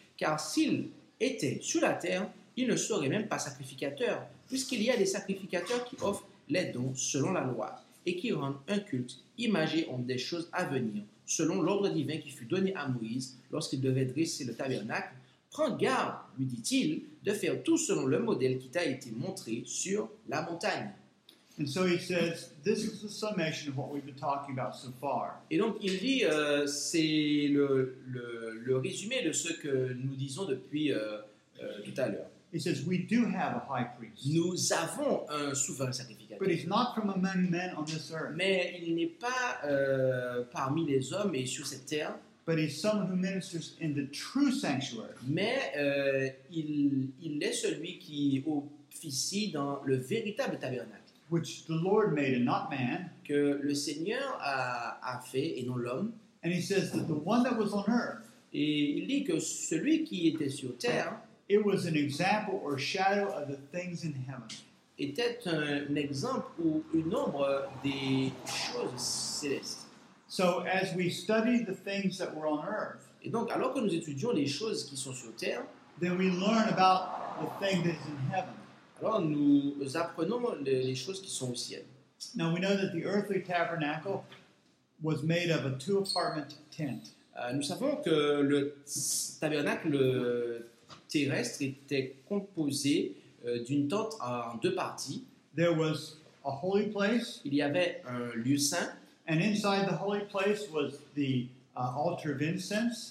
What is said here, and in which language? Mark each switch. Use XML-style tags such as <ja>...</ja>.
<fr>Car s'il était sur la terre, il ne serait même pas sacrificateur, puisqu'il y a des sacrificateurs qui offrent les dons selon la loi et qui rendent un culte imagé en des choses à venir selon l'ordre divin qui fut donné à Moïse lorsqu'il devait dresser le tabernacle. Prends garde, lui dit-il, de faire tout selon le modèle qui t'a été montré sur la montagne.</fr> <en>And so he says, this is the summation of what we've been talking about so far.</en> <fr>Et donc il dit, c'est le résumé de ce que nous disons depuis tout à l'heure.</fr> <en>He says we do have a high priest.</en> <fr>Nous avons un souverain sacrificateur.</fr> <en>But he's not from among men on this earth.</en> <fr>Mais il n'est pas parmi les hommes et sur cette terre.</fr> <en>But he's someone who ministers in the true sanctuary.</en> <fr>Mais il est celui qui officie dans le véritable tabernacle.</fr> <en>Which the Lord made and not man.</en> <fr>Que le Seigneur a fait et non l'homme.</fr> <en>And he says that the one that was on earth.</en> <fr>Et il dit que celui qui était sur terre.</fr> <en>It was an example or shadow of the things in heaven.</en> <fr>Était un exemple ou une ombre des choses célestes.</fr> <en>So as we study the things that were on earth,</en> <fr>et donc alors que nous étudions les choses qui sont sur terre,</fr> <en>then we learn about the thing that is in heaven.</en> <fr>Alors nous apprenons les choses qui sont au ciel.</fr> <en>Now we know that the earthly tabernacle was made of a two-apartment tent.</en> <fr>Nous savons que le tabernacle terrestre était composé d'une tente en deux parties.</fr> <en>There was a holy place.</en> <fr>Il y avait un lieu saint.</fr> <en>And inside the holy place was the altar of incense.</en>